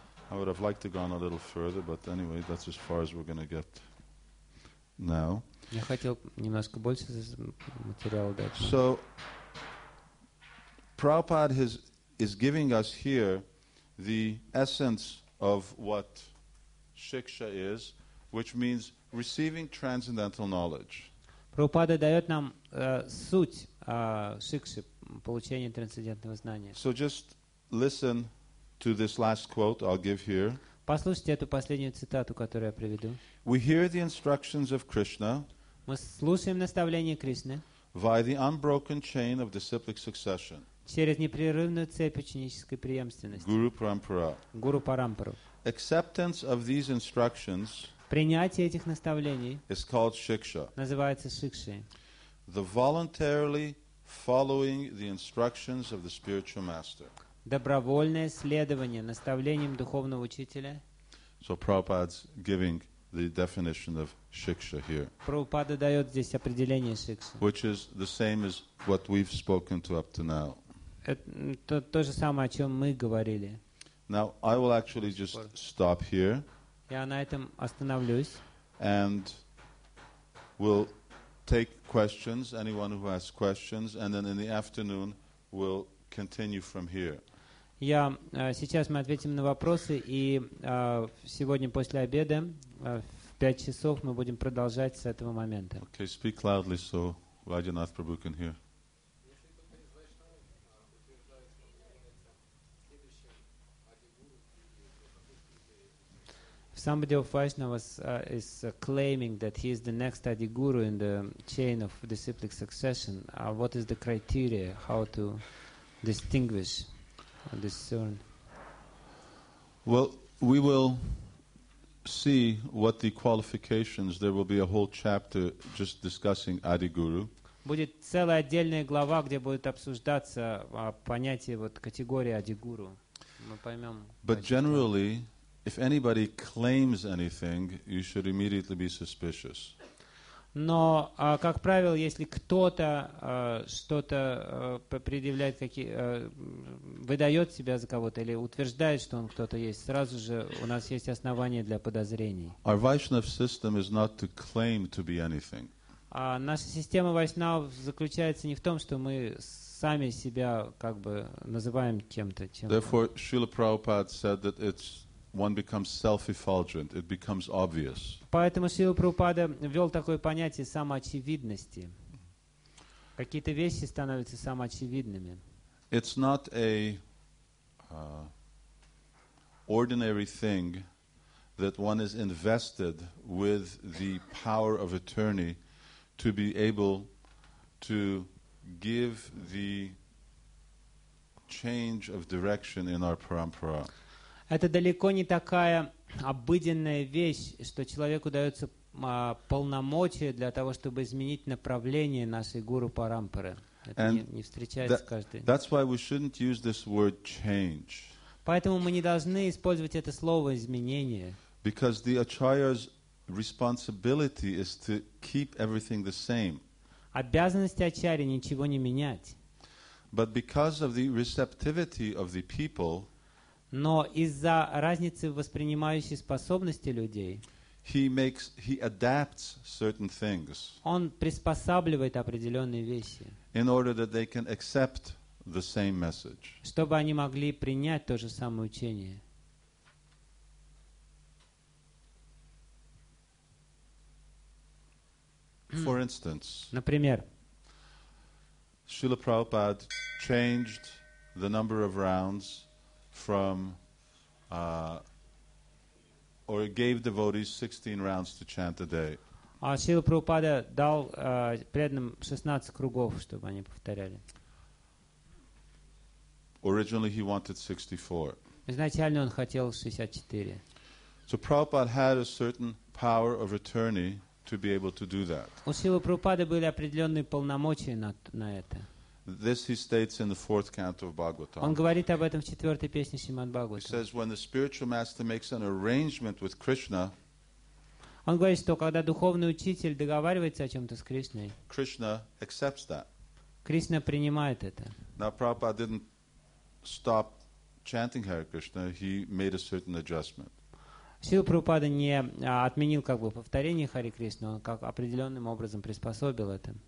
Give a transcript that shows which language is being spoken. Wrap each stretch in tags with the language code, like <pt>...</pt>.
<en>I would have liked to go on a little further, but anyway, that's as far as we're going to get now.</en> <ru>Я хотел немножко больше материала дать.</ru> <en>So, Prabhupada is giving us here the essence of what Shiksha is, which means receiving transcendental knowledge.</en> <ru>Prabhupada дает нам суть Шикши, получение трансцендентного знания.</ru> <en>So just listen to this last quote I'll give here.</en> <ru>Послушайте эту последнюю цитату, которую я приведу.</ru> <en>We hear the instructions of Krishna.</en> <ru>Мы слушаем наставления Кришны.</ru> <en>Via the unbroken chain of disciplic succession.</en> <ru>Через непрерывную цепь ученической преемственности.</ru> <en>Guru Parampara.</en> <ru>Guru Parampara.</ru> <en>Acceptance of these instructions.</en> <ru>Принятие этих наставлений.</ru> <en>Is called Shiksha.</en> <ru>Называется Шикшей.</ru> <en>The voluntarily following the instructions of the spiritual master.</en> <ru>Добровольное следование наставлениям духовного учителя.</ru> <en>So Prabhupada's giving the definition of Shiksha here.</en> <ru>Prabhupada дает здесь определение Шикши.</ru> <en>Which is the same as what we've spoken to up to now.</en> <ru>Это то же самое, о чем мы говорили.</ru> <en>Now I will actually just stop here.</en> <ru>Я на этом остановлюсь.</ru> <en>And we'll take questions, anyone who has questions, and then in the afternoon we'll continue from here.</en> <ru>Я сейчас мы ответим на вопросы, и сегодня после обеда в 5 часов мы будем продолжать с этого момента.</ru> <en>Okay, speak loudly so Vaidyanath Prabhu can hear. Somebody of Vaishnavas is claiming that he is the next Adiguru in the chain of disciplic succession. What is the criteria? How to distinguish or discern? Well, we will see what the qualifications. There will be a whole chapter just discussing Adiguru.</en> <ru>Будет целая отдельная глава, где будет обсуждаться понятие вот категории Адигуру. Мы поймем.</ru> <en>But generally, if anybody claims anything, you should immediately be suspicious.</en> <ru>Но, как правило, если кто-то что-то предъявляет, выдает себя за кого-то или утверждает, что он кто-то есть, сразу же у нас есть основания для подозрений.</ru> <en>Our Vaishnav system is not to claim to be anything.</en> <ru>Наша система Вайшнав заключается не в том, что мы сами себя как бы называем кем-то.</ru> <en>Therefore, Srila Prabhupada said that it's one becomes self-effulgent, it becomes obvious.</en> <ru>Поэтому Шрила Прабхупада ввел такое понятие самоочевидности. Какие-то вещи становятся самоочевидными.</ru> <en>It's not a ordinary thing that one is invested with the power of attorney to be able to give the change of direction in our parampara.</en> <ru>Это далеко не такая обыденная вещь, что человеку дается полномочия для того, чтобы изменить направление нашей гуру парампары. Это не встречается каждый.</ru> <en>That's why we shouldn't use this word change.</en> <ru>Поэтому мы не должны использовать это слово изменение.</ru> <en>Because the acharya's responsibility is to keep everything the same.</en> <ru>Обязанность ачарьи ничего не менять.</ru> <en>But because of the receptivity of the people.</en> <ru>Но из-за разницы в воспринимающей способности людей</ru> <en>he adapts certain things.</en> <ru>Он приспосабливает определенные вещи.</ru> <en>In order that they can accept the same message.</en> <ru>Чтобы они могли принять то же самое учение.</ru> <en>For instance.</en> <ru>Например.</ru> <en>Srila Prabhupada changed the number of rounds from or gave devotees 16 rounds to chant a day.</en> <ru>А Шрила Прабхупада дал преданным 16 кругов, чтобы они повторяли.</ru> <en>Originally he wanted 64.</en> <ru>Изначально он хотел 64.</ru> <en>So Prabhupada had a certain power of attorney to be able to do that.</en> <ru>У Шрилы Прабхупады были определенные полномочия на это.</ru> <en>This he states in the fourth canto of Bhagavatam.</en> <ru>Он говорит об этом в четвертой песне Шримад-Бхагаватам.</ru> <en>He says when the spiritual master makes an arrangement with Krishna.</en> <ru>Он говорит, что когда духовный учитель договаривается о чем-то с Кришной,</ru> <en>Krishna accepts that.</en> <ru>Кришна принимает это.</ru> <en>Now, Prabhupada didn't stop chanting Hare Krishna. He made a certain adjustment.</en> <ru>Сила Прабхупада не отменил как бы повторение Хари Кришны, он как определенным образом приспособил это.</ru>